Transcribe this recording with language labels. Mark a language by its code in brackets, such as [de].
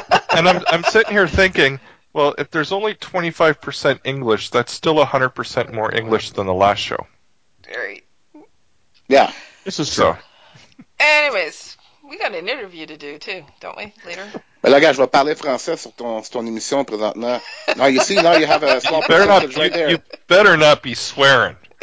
[en] And I'm sitting here thinking, well, if there's only 25% English, that's still 100% more English than the last show. Very. Yeah. This is true. Anyways, we got an interview to do too, don't we, later? [fr] Mais là, gars, je vais parler français sur ton émission présentement. [en] Now you see, now you have a small percentage right there. You better not be swearing.